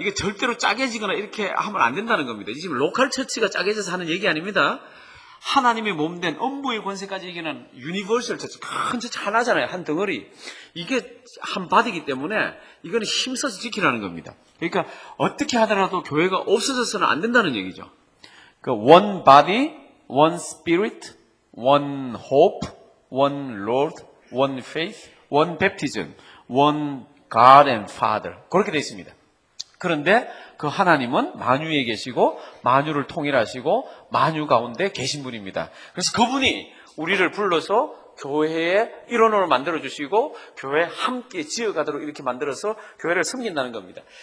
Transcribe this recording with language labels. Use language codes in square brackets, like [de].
[ko] 이게 절대로 짜개지거나 이렇게 하면 안 된다는 겁니다. 지금 로컬 처치가 짜개져서 하는 얘기 아닙니다. 하나님의 몸된 음부의 권세까지 얘기하는 유니버설 처치, 큰 처치 하나잖아요. 한 덩어리. 이게 한 바디이기 때문에 이거는 힘써서 지키라는 겁니다. 그러니까 어떻게 하더라도 교회가 없어져서는 안 된다는 얘기죠. [en] 그 one body, one spirit, one hope, one Lord, one faith, one baptism, one God and Father. [ko] 그렇게 되어 있습니다. 그런데 그 하나님은 만유에 계시고 만유를 통일하시고 만유 가운데 계신 분입니다. 그래서 그분이 우리를 불러서 교회의 일원으로 만들어주시고 교회 함께 지어가도록 이렇게 만들어서 교회를 섬긴다는 겁니다.